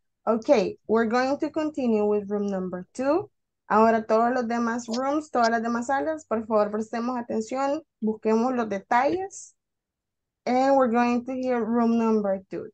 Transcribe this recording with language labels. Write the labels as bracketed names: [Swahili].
[English] Okay, we're going to continue with room number two. [Spanish] Ahora todos los demás rooms, todas las demás salas, por favor, prestemos atención, busquemos los detalles. [English] And we're going to hear room number two.